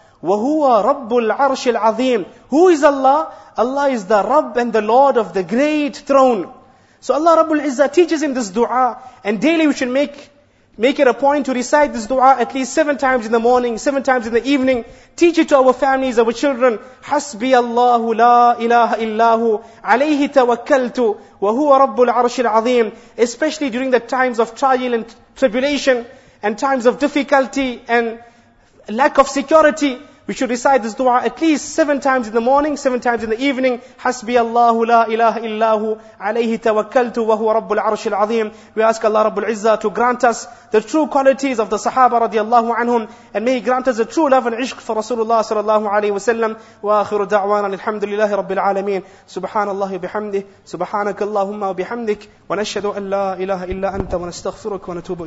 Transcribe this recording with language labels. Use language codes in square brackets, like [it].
[ar] Wa huwa rabbul arshil azim. [en] Who is Allah? Allah is the Rabb and the Lord of the great throne. So Allah Rabbul Izzah teaches him this dua. And daily we should make it a point to recite this dua at least 7 times in the morning, 7 times in the evening. Teach it to our families, our children. [ar] حسبي الله لا إله إلا هو عليه توكلت وهو رب العرش العظيم. [en] Especially during the times of trial and tribulation and times of difficulty and lack of security, we should recite this dua at least 7 times in the morning, 7 times in the evening. [ar] حسبي الله لا إله إلا هو عليه توكلت وهو رب العرش العظيم. [en] We ask Allah رب العزة to grant us the true qualities of the Sahaba [ar] رضي الله عنهم, [en] and may He grant us the true love and عشق for رسول الله [ar] صلى الله عليه وسلم. وآخر دعوانا الحمد لله رب العالمين. سبحان الله بحمده, سبحانك اللهم وبحمدك, ونشهد أن لا إله إلا أنت ونستغفرك ونتوب إليك.